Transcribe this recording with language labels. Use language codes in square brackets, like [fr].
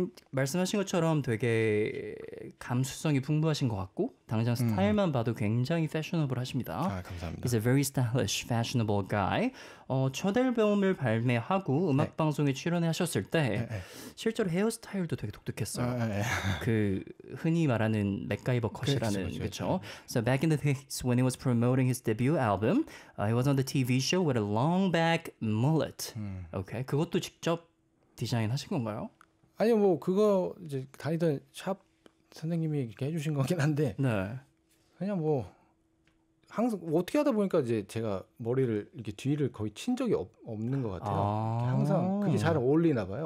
[ko] 말씀하신 것처럼 되게 감수성이 풍부하신 것 같고 당장 스타일만 봐도 굉장히 패셔너블하십니다. 아, 감사합니다. [en] He's a very stylish, fashionable guy. [ko] 첫앨범을 발매하고 음악 방송에 출연하셨을 때 실제로 헤어스타일도 되게 독특했어요. 그 흔히 말하는 맥가이버 컷이라는 그렇죠. [en] So back in the days when he was promoting his debut album, he was on the TV show with a long back mullet. [ko] Okay, 그것도 직접 디자인하신 건가요? 아니요, 뭐 그거 이제 다니던 샵 선생님이 이렇게 해주신 거긴 한데. 네. 그냥 뭐. 항상 어떻게 하다 보니까 이제 제가 머리를 이렇게 뒤를 거의 친 적이 없는 것 같아요. 아~ 항상 그게 잘 어울리나 봐요.